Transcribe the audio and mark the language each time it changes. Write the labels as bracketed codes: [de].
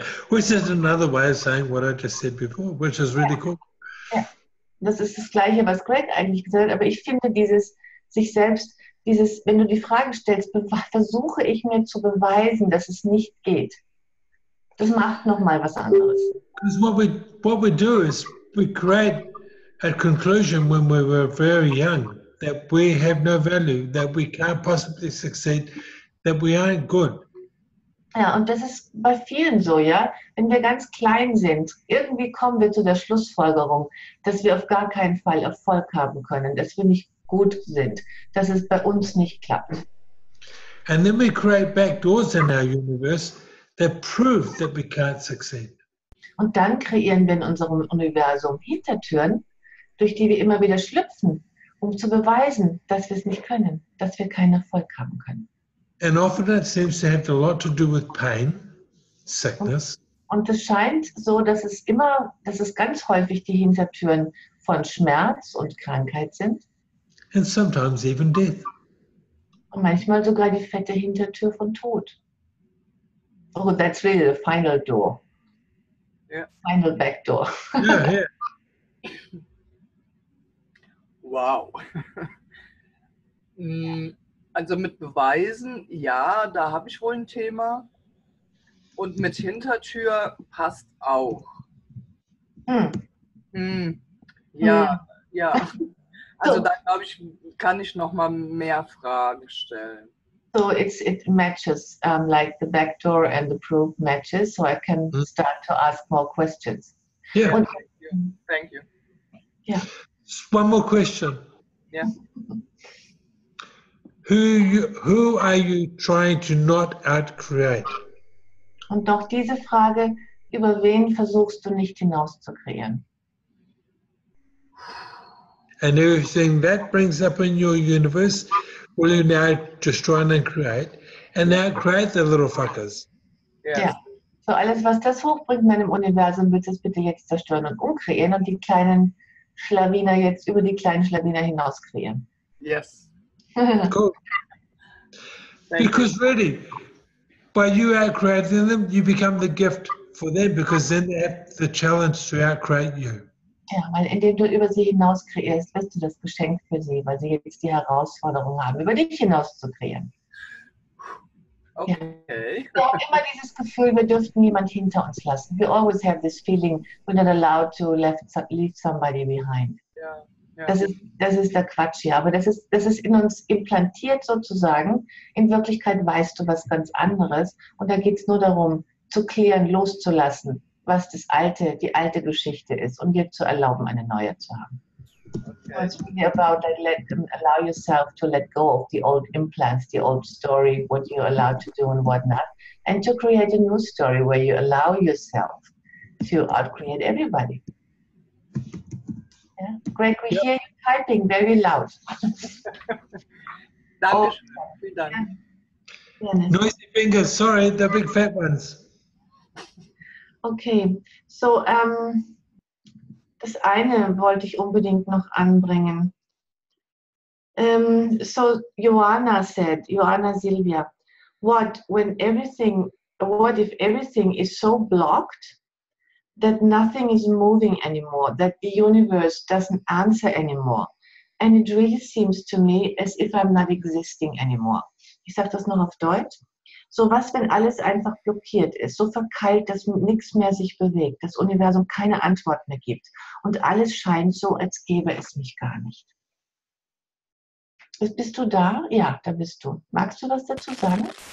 [en] Which is another way of saying what I just said before, which is really cool. Yeah. [de] Das ist das Gleiche, was Greg eigentlich gesagt hat, aber ich finde dieses sich selbst, dieses, wenn du die Frage stellst, versuche ich mir zu beweisen, dass es nicht geht. Das macht nochmal was anderes. [en] Because what we do is we create a conclusion when we were very young that we have no value, that we can't possibly succeed, that we aren't good. [de] Ja, und das ist bei vielen so, ja. Wenn wir ganz klein sind, irgendwie kommen wir zu der Schlussfolgerung, dass wir auf gar keinen Fall Erfolg haben können, dass wir nicht gut sind, dass es bei uns nicht klappt. [en] And then we create back doors in our universe that prove that we can't succeed. [de] Und dann kreieren wir in unserem Universum Hintertüren, durch die wir immer wieder schlüpfen, um zu beweisen, dass wir es nicht können, dass wir keinen Erfolg haben können. [en] And often that seems to have a lot to do with pain, sickness. [de] Und es scheint so, dass es immer, dass es ganz häufig die Hintertüren von Schmerz und Krankheit sind. [en] And sometimes even death. [de] Und manchmal sogar die fette Hintertür von Tod. [en] Oh, that's really the final door. Yeah. Final back door. Yeah, yeah. Wow. [de] Also mit Beweisen, ja, da habe ich wohl ein Thema. Und mit Hintertür passt auch. Ja. Also so, da glaube ich, kann ich noch mal mehr Fragen stellen. [en] So it matches, like the back door and the proof matches, so I can start to ask more questions. Yeah. Und, Thank you. Yeah. One more question. Yeah. Who are you trying to not out-create? [de] Und doch diese Frage, über wen versuchst du nicht hinaus zu kreieren? [en] And everything that brings up in your universe, will you now destroy and create? And now create the little fuckers. Yeah. Yeah. [de] So alles, was das hochbringt in meinem Universum, wird es bitte jetzt zerstören und umkreieren und die kleinen Schlawiner jetzt über die kleinen Schlawiner hinaus kreieren. [en] Yes. Cool. Because really, by you out-creating them, you become the gift for them, because then they have the challenge to out-create you. [de] Ja, weil indem du über sie hinaus kreierst, bist du das Geschenk für sie, weil sie jetzt die Herausforderung haben, über dich hinaus zu kreieren. Okay. Ja. Wir haben immer dieses Gefühl, wir dürften niemand hinter uns lassen. [en] We always have this feeling, we're not allowed to leave somebody behind. [de] Ja. Ja. Das ist der Quatsch, ja. Aber das ist in uns implantiert sozusagen. In Wirklichkeit weißt du was ganz anderes. Und da geht es nur darum, zu klären, loszulassen, was das alte, die alte Geschichte ist, um dir zu erlauben, eine neue zu haben. Okay. [en] It's really about allow yourself to let go of the old implants, the old story, what you're allowed to do and what not, and to create a new story where you allow yourself to outcreate everybody. Yeah? Greg, we hear you typing very loud. [de] Dankeschön. [en] Oh. Noisy fingers, sorry, the big fat ones. [de] Okay, so das eine wollte ich unbedingt noch anbringen. [en] So Joanna said, Joanna Silvia, what if everything is so blocked that nothing is moving anymore, that the universe doesn't answer anymore? And it really seems to me as if I'm not existing anymore. [de] Ich sage das noch auf Deutsch. So was, wenn alles einfach blockiert ist, so verkeilt, dass nichts mehr sich bewegt, das Universum keine Antwort mehr gibt und alles scheint so, als gäbe es mich gar nicht. Bist du da? Ja, da bist du. Magst du was dazu sagen?